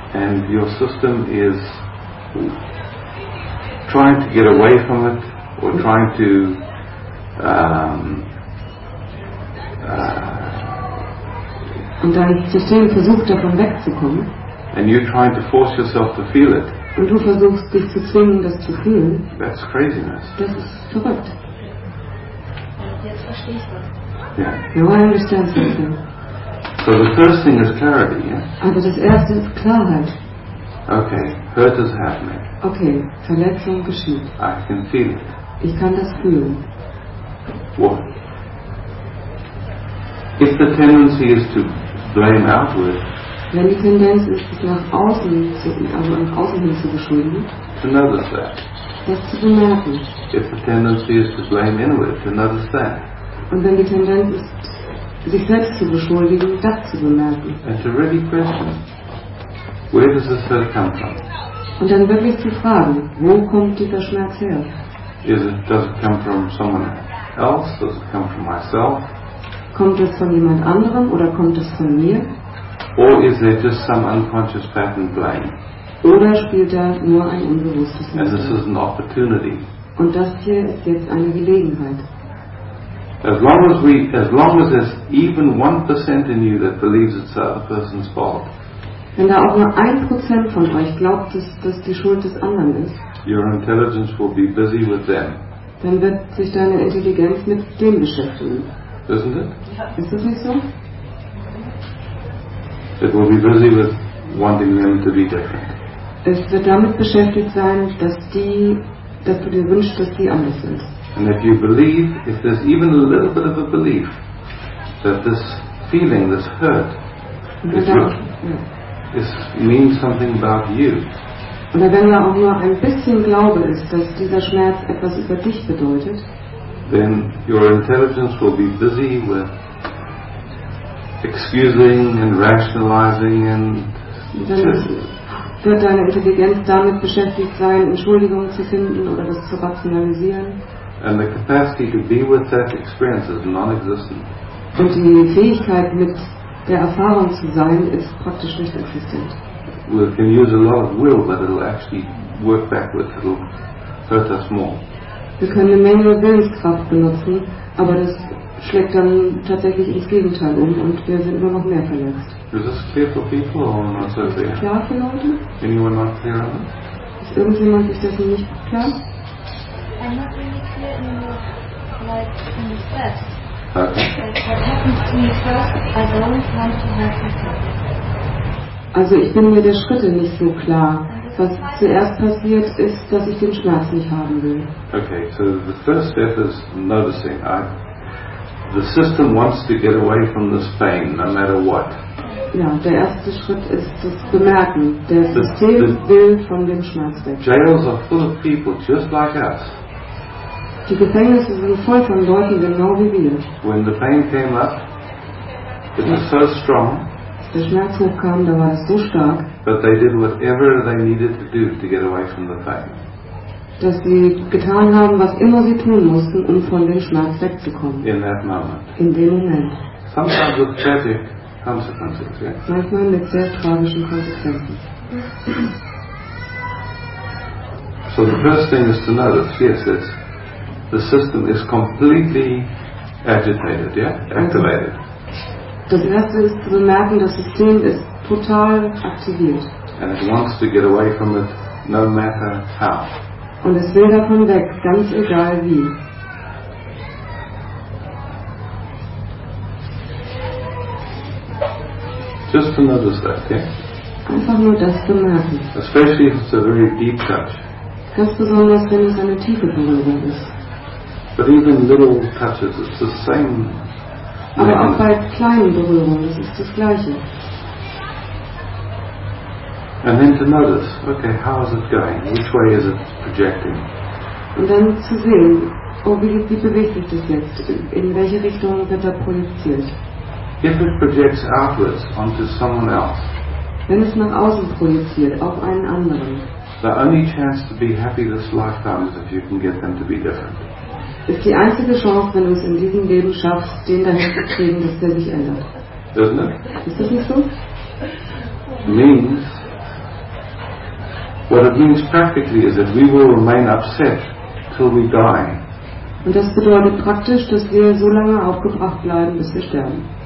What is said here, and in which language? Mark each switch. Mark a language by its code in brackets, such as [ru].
[en] And your system is trying to get away from it or trying to [de] und dein System versucht davon wegzukommen, [en] and you're trying to force yourself to feel it, [de] und du versuchst dich zu zwingen, das zu fühlen, [en] that's craziness. [de] Das ist verrückt. Jetzt verstehe ich was. [en] Yeah. [de] Ja, [en] so the first thing is clarity, yeah? [de] Aber das erste ist Klarheit. [en] Okay, hurt is happening. [de] Okay, Verletzung geschieht. [en] I can feel it. [de] Ich kann das fühlen. [en] What? If the tendency is to blame outward. [de] Wenn die Tendenz ist, sich nach außen zu, also nach außen hin zu beschuldigen. [en] To notice that. [de] Das zu bemerken. [en] If the tendency is to blame inward, to notice that. [de] Und wenn die Tendenz ist, sich selbst zu beschuldigen, das zu bemerken. [en] And to really question. Where does this hurt come from? [de] Und dann wirklich zu fragen, wo kommt dieser Schmerz her? [en] Is it, does it come from someone else? Does it come from myself? [de] Kommt es von jemand anderem oder kommt es von mir? [en] Or is there just some unconscious pattern playing? [de] Oder spielt da nur ein unbewusstes Muster? [en] And this is an opportunity. [de] Und das hier ist jetzt eine Gelegenheit. [en] As long as there's even 1% in you that believes it's the other person's fault. [de] Wenn da auch nur 1% von euch glaubt, dass die Schuld des anderen ist, [en] your intelligence will be busy with them. [de] Dann wird sich deine Intelligenz mit dem beschäftigen. [en] Isn't it? [de] Ist das nicht so? [en] It will be busy with wanting them to be different. [de] Es wird damit beschäftigt sein, dass du dir wünschst, dass die anders sind. [en] And if you believe, if there's even a little bit of a belief that this feeling, this hurt, is real. It means something about you. [de] Oder wenn da auch nur ein bisschen Glaube ist, dass dieser Schmerz etwas über dich bedeutet, [en] then your intelligence will be busy with excusing and rationalizing and [de] dann wird deine Intelligenz damit beschäftigt sein, Entschuldigungen zu finden oder das zu rationalisieren. [en] And the capacity to be with that experience is non-existent. [de] Und die Fähigkeit mit der Erfahrung zu sein, ist praktisch nicht existent. [en] We can use a lot of will, but it'll actually work backwards. It'll hurt us more. [de] Wir können eine Menge Willenskraft benutzen, aber das schlägt dann tatsächlich ins Gegenteil um und wir sind immer noch mehr verletzt. [en] Is this clear for people or not so clear? [de] Ist das klar für Leute? [en] Anyone not clear on it? [de] Ist irgendjemand sich dessen nicht klar? [en] I'm not really clear in the like in the first. [de] Also ich bin mir der Schritte nicht so klar. Was zuerst passiert ist, dass ich den Schmerz nicht haben will. [en] Okay, so the first step is noticing. The system wants to get away from this pain, no matter what. [de] Ja, der erste Schritt ist das Bemerken. Der System will von dem Schmerz weg. [en] Jails are full of people, just like us. [de] Die Gefängnisse sind voll von Leuten, genau wie wir. [en] When the pain came up, it was so strong. [de] Der Schmerz hochkam, da war es so stark. [en] But they did whatever they needed to do to get away from the pain. [de] Dass sie getan haben, was immer sie tun mussten, um von dem Schmerz wegzukommen. [en] In that moment. [de] In dem Moment. [en] Sometimes with tragic consequences. Yeah. [de] Manchmal mit sehr tragischen Konsequenzen. [en] So the first thing is to notice. Yes, it's the system is completely agitated, yeah? Activated. [de] Das erste ist zu bemerken, das System ist total aktiviert. [en] And it wants to get away from it, no matter how. [de] Und es will davon weg, ganz egal wie. [en] Just to notice that, yeah? [de] Einfach nur das zu merken. [en] Especially if it's a very deep touch. [de] Ganz besonders, wenn es eine tiefe Berührung ist. [en] But even little touches, it's the same. [de] Aber auch bei kleinen Berührungen, es ist das Gleiche. [en] And then to notice, okay, how is it going? Which way is it projecting? [de] Und dann zu sehen, oh, wie bewegt sich das jetzt? In welche Richtung wird er projiziert? [en] If it projects outwards onto someone else. [de] Wenn es nach außen projiziert, auf einen anderen. [en] The only chance to be happy this lifetime is if you can get them to be different. [de] Ist die einzige Chance, wenn du es in diesem Leben schaffst, den dahin zu kriegen, dass der sich ändert. [en] Isn't it? [de] Ist das nicht so? [en] Means. What it means practically is that we will remain upset till we die. [de] Und das bedeutet praktisch, dass wir so lange aufgebracht bleiben, bis wir sterben.